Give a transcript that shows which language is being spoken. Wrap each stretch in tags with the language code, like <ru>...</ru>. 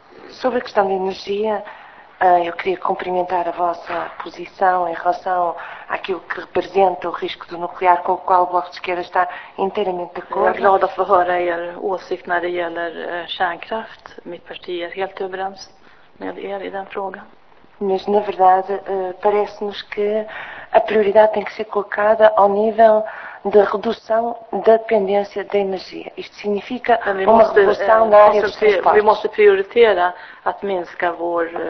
<pt>Sobre a questão de energia, eu queria cumprimentar a vossa posição em relação àquilo que representa o risco do nuclear com o qual o Bloco de Esquerda está inteiramente de acordo.</pt> <sv>Jag är glad att få höra er åsikt när det gäller kärnkraft. Mitt parti är helt överens med er i den frågan.</sv> <pt>Mas, na verdade, parece-nos que a prioridade tem que ser colocada ao nível de redução da dependência da energia. Isto significa uma redução na área dos transportes.</pt> <sv>Vi måste prioritera att minska vår</sv>